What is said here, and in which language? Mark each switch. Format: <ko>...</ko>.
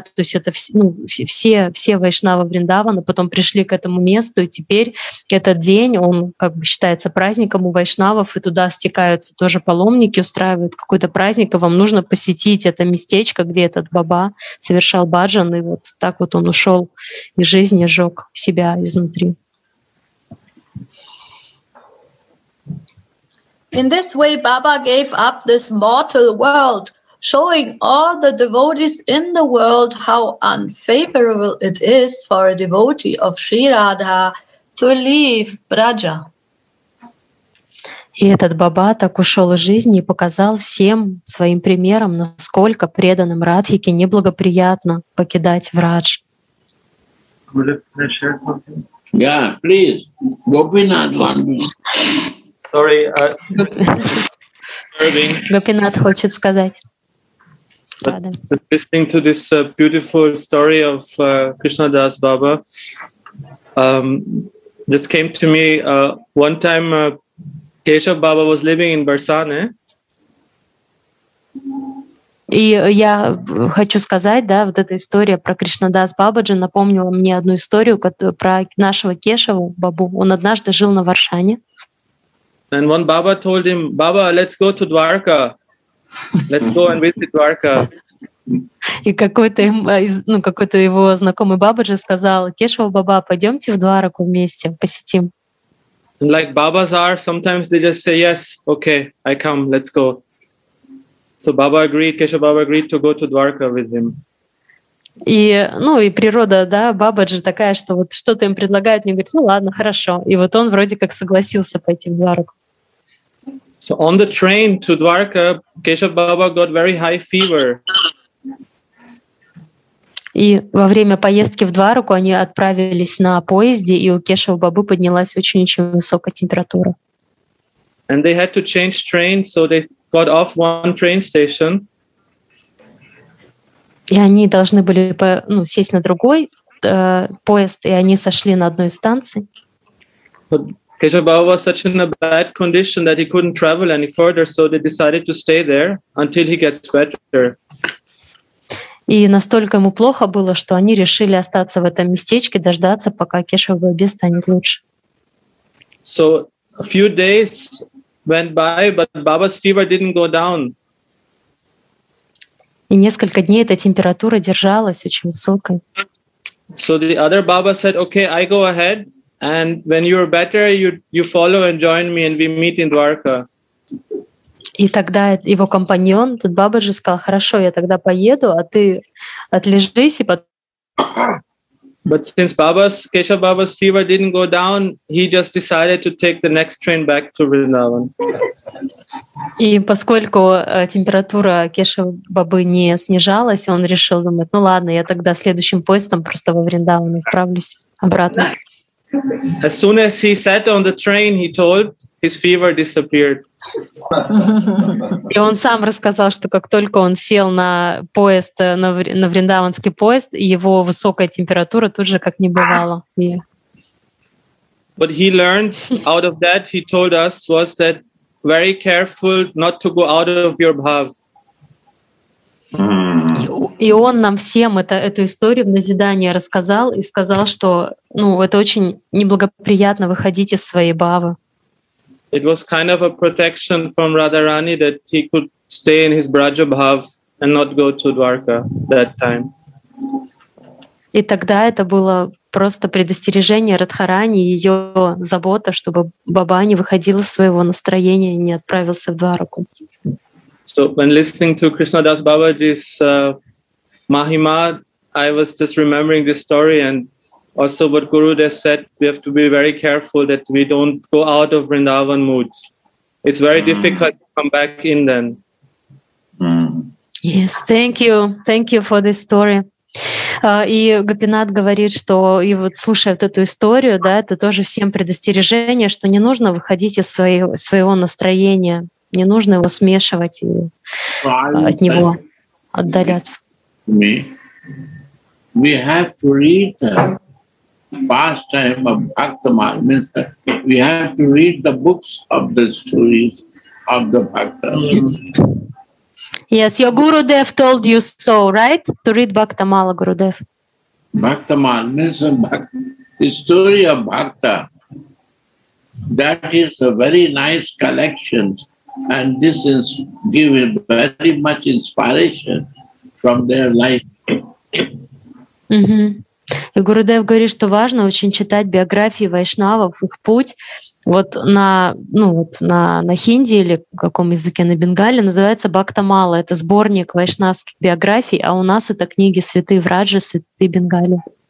<ru>То есть это все вайшнавы Вриндавана потом пришли к этому месту, и теперь этот день, он как бы считается праздником у вайшнавов, и туда стекаются тоже паломники, устраивают какой-то праздник, и вам нужно посетить это местечко, где этот Баба совершал баджан, и вот так вот он ушел из жизни, сжег себя изнутри.</ru> <en>In this way, Baba gave up this mortal world, showing all the devotees in the world how unfavorable it is for a devotee of Sri Radha to leave Braja.</en> <ru>И этот Баба так ушел из жизни и показал всем своим примером, насколько преданным Радхике неблагоприятно покидать Врадж.</ru> <en>Yeah, please. Gopinath wants. Sorry.</en> <ru>Gopinath хочет сказать.</ru> <en>Listening to this beautiful story of Krishnadas Baba, just came to me one time Keshav Baba was living in Barsane.</en> <ru>И я хочу сказать, да, вот эта история про Кришнадас Бабаджи напомнила мне одну историю про нашего Кешаву Бабу. Он однажды жил на Варшане.</ru> <en>And one Baba told him, Baba, let's go to Dwarka. Let's go and visit Dwarka.</en> <ru>И какой-то, ну, какой-то его знакомый Бабаджи сказал, Кешава Баба, пойдемте в Двараку вместе, посетим.</ru> <en>And like Babas are, sometimes they just say, yes, okay, I come, let's go. So Baba agreed, Keshav Baba agreed to go to Dwarka with him.</en> <ru>И, ну, и природа, да, Бабаджи такая, что вот что-то им предлагают, они говорят, ну ладно, хорошо. И вот он вроде как согласился пойти в Дварку.</ru> <en>So on the train to Dwarka, Keshav Baba got very high fever.</en> <ru>И во время поездки в Дварку они отправились на поезде, и у Кешава Бабы поднялась очень-очень высокая температура.</ru> <en>And they had to change train, so they got off one train station.</en> <ru>И они должны были, ну, сесть на другой поезд, и они сошли на одной станции.</ru> <en>But Keshav Baba was such in a bad condition that he couldn't travel any further, so they decided to stay there until he gets better.</en> <ru>И настолько ему плохо было, что они решили остаться в этом местечке, дождаться, пока Кешава Бабе станет лучше.</ru> <en>So a few days went by, but Baba's fever didn't go down.</en> <ru>И несколько дней эта температура держалась очень высокой.</ru> <en>So the other Baba said, "Okay, I go ahead, and when you're better, you follow and join me, and we meet in Dwarka."</en> <ru>И тогда его компаньон, тот Баба же сказал, хорошо, я тогда поеду, а ты отлежись и потом...</ru> <en>But since Keshav Baba's fever didn't go down, he just decided to take the next train back to Vrindavan.</en> <ru>И поскольку температура Кешава Бабы не снижалась, он решил думать, ну ладно, я тогда следующим поездом просто во Вриндаван отправлюсь обратно.</ru> <en>As soon as he sat on the train, he told, his fever disappeared.</en> <ru>И он сам рассказал, что как только он сел на поезд, на Вриндаванский поезд, его высокая температура тут же как не бывало.</ru> <en>What he learned out of that, he told us, was that very careful not to go out of your bhav.</en> <ru>И он нам всем эту историю в назидание рассказал и сказал, что, ну, это очень неблагоприятно выходить из своей бхавы.</ru> <en>It was kind of a protection from Radharani that he could stay in his Braja Bhav and not go to Dwarka that time.</en> <ru>И тогда это было просто предостережение Радхарани, ее забота, чтобы Баба не выходил из своего настроения и не отправился в Двараку.</ru> <en>So when listening to Krishna Das Babaji's Mahima, I was just remembering this story and also what Gurudev said, we have to be very careful that we don't go out of Vrindavan mood. It's very difficult to come back in then. Yes, thank you. Thank you for this story.</en> <ru>И Гопинат говорит, что, и вот слушая вот эту историю, да, это тоже всем предостережение, что не нужно выходить из своего настроения, не нужно его смешивать и от него отдаляться.</ru> <en>We have to read the pastime of Bhaktamala. Means that we have to read the books of the stories of the Bhaktamala. Yes, your Gurudev told you so, right? To read Bhaktamala, Gurudev. Bhaktamala means the story of Bhakta. That is a very nice collection, and this is giving very much inspiration from their life. Mm-hmm.</en> <ru>И Гурудев говорит, что важно очень читать биографии вайшнавов, их путь. Вот на, ну, вот на хинди или каком языке, на бенгале, называется Бхактамала. Это сборник вайшнавских биографий, а у нас это книги Святые Враджи, Святые Бенгали.</ru>